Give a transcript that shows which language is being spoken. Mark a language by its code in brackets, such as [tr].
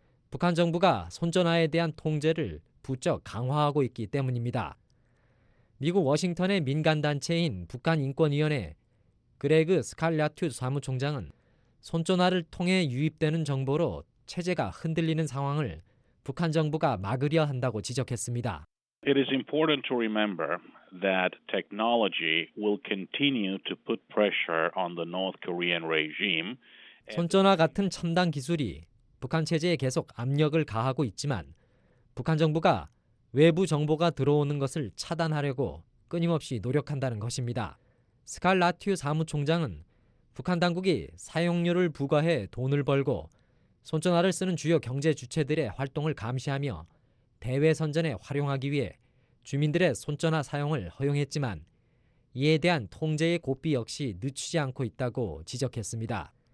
[ko] 북한 정부가 손전화에 대한 통제를 부쩍 강화하고 있기 때문입니다. 미국 워싱턴의 민간단체인 북한인권위원회 그레그 스칼라투 사무총장은 손전화를 통해 유입되는 정보로 체제가 흔들리는 상황을 북한 정부가 막으려 한다고 지적했습니다. [en] It is important to remember that technology will continue to put pressure on the North Korean regime. [ko] 손전화 같은 첨단 기술이 북한 체제에 계속 압력을 가하고 있지만 북한 정부가 외부 정보가 들어오는 것을 차단하려고 끊임없이 노력한다는 것입니다. 스칼 라튜 사무총장은 북한 당국이 사용료를 부과해 돈을 벌고 손전화를 쓰는 주요 경제 주체들의 활동을 감시하며 대외선전에 활용하기 위해 주민들의 손전화 사용을 허용했지만 이에 대한 통제의 고삐 역시 늦추지 않고 있다고 지적했습니다.